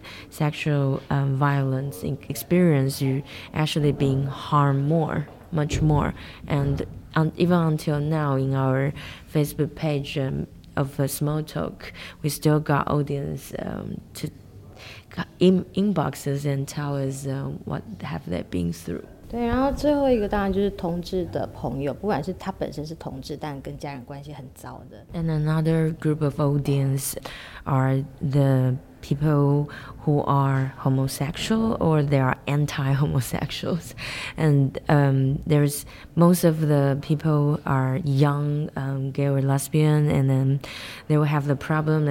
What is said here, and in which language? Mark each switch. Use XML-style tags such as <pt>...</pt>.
<en>sexual violence experience, you actually being harmed more, much more, and even until now in our Facebook page of a small talk, we still got audience to inboxes and tell us what have they been through.</en> <zh>对，然后最后一个当然就是同志的朋友，不管是他本身是同志，但跟家人关系很糟的。</zh> <en>And another group of audience are the people who are homosexual or they are anti-homosexuals, and there's most of the people are young gay or lesbian, and then they will have the problem.</en>